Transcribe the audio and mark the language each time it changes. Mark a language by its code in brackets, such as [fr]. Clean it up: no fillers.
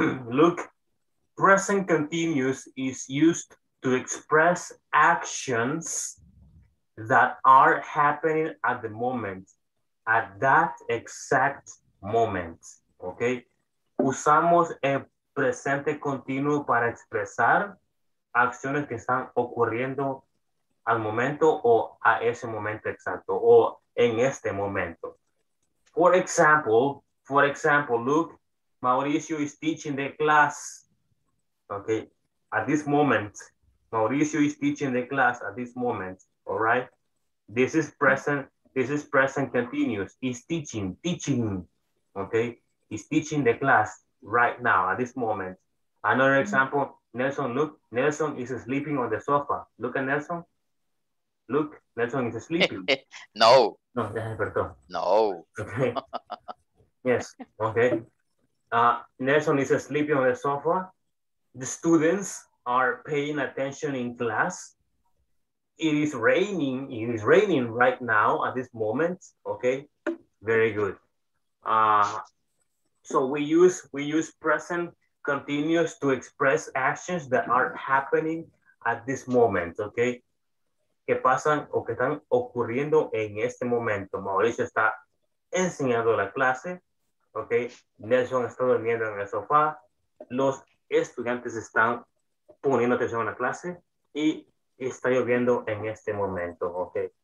[en] Look, present continuous is used to express actions that are happening at the moment, at that exact moment. [es] Okay, usamos el presente continuo para expresar acciones que están ocurriendo al momento o a ese momento exacto o en este momento. [en] For example, look, Mauricio is teaching the class, okay? At this moment, Mauricio is teaching the class at this moment, all right? This is present continuous. He's teaching, okay? He's teaching the class right now, at this moment. Another example, Nelson, look, Nelson is sleeping on the sofa. Look at Nelson. Look, Nelson is sleeping. No. No, [es] perdón. [en] No. Okay. Yes. Okay. Nelson is sleeping on the sofa. The students are paying attention in class. It is raining right now at this moment. Okay. Very good. So we use present continuous to express actions that are happening at this moment. Okay. [es] Que pasan o que están ocurriendo en este momento. Mauricio está enseñando la clase, okay? Nelson está durmiendo en el sofá, los estudiantes están poniendo atención a la clase y está lloviendo en este momento, ¿ok?